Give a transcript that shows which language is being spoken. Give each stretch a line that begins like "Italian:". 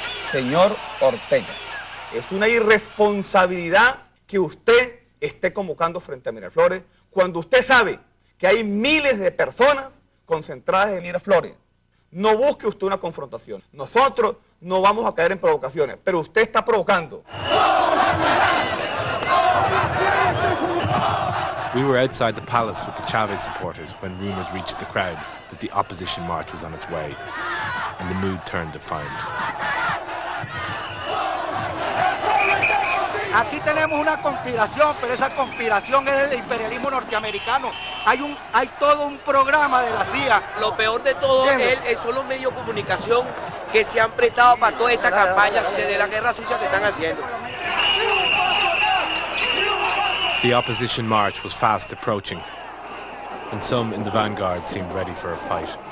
Spanish: Señor Ortega, es una irresponsabilidad que usted esté convocando frente a Miraflores cuando usted sabe que hay miles de personas concentradas en Miraflores. No busque usted una confrontación. Nosotros no vamos a caer en provocaciones, pero usted está provocando.
English: We were outside the palace with the Chavez supporters when rumors reached the crowd that the opposition march was on its way, and the mood turned defiant.
Spanish: Aquí tenemos una conspiración, pero esa conspiración es el imperialismo norteamericano. Hay todo un programa de la CIA. Lo peor de todo es solo medios de comunicación que se han prestado para toda esta campaña de la guerra sucia que están haciendo.
English: The opposition march was fast approaching, and some in the vanguard seemed ready for a fight.